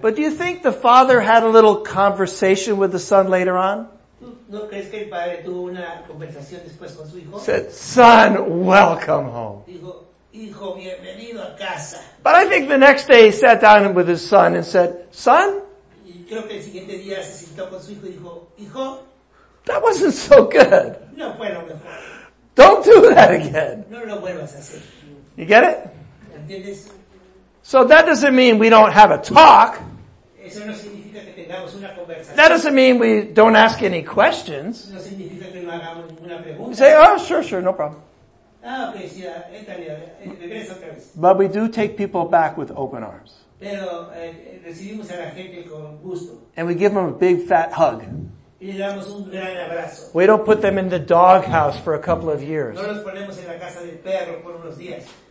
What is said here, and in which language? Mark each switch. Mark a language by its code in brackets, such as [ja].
[en] But do you think the father had a little conversation with the son later on? [es] ¿No crees que el padre tuvo una conversación después con su hijo? [en] Said, son, welcome home. [es] Dijo, hijo, bienvenido a casa. [en] But I think the next day he sat down with his son and said, son? [es] Y creo que el siguiente día se sentó con su hijo y dijo, hijo. [en] That wasn't so good. [es] No fue lo mejor. [en] Don't do that again. [es] No lo vuelvas a hacer. [en] You get it? [es] ¿Entiendes? [en] So that doesn't mean we don't have a talk. [es] Eso no significa que tengamos una conversación. [en] That doesn't mean we don't ask any questions. [es] No significa que no hagamos ninguna pregunta. [en] You say, oh, sure, no problem. [es] Ah, okay, sí, entraría, regreso otra vez. [en] But we do take people back with open arms. [es] Pero recibimos a la gente con gusto. [en] And we give them a big fat hug. [es] Y le damos un gran abrazo. [en] We don't put them in the doghouse for a couple of years. [es] No los ponemos en la casa del perro por unos días.